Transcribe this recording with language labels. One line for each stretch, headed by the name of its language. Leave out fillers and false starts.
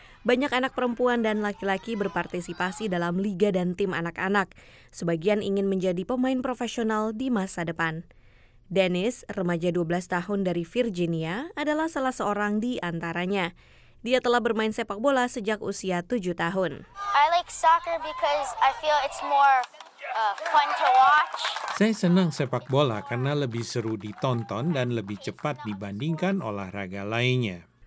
Indonesian: Banyak anak perempuan dan laki-laki berpartisipasi dalam liga dan tim anak-anak. Sebagian ingin menjadi pemain profesional di masa depan. Dennis, remaja 12 tahun dari Virginia, adalah salah seorang di antaranya. Dia telah bermain sepak bola sejak usia 7 tahun.
English: I like soccer because I feel it's more fun to watch.
Indonesian: Saya senang sepak bola karena lebih seru ditonton dan lebih cepat dibandingkan olahraga lainnya.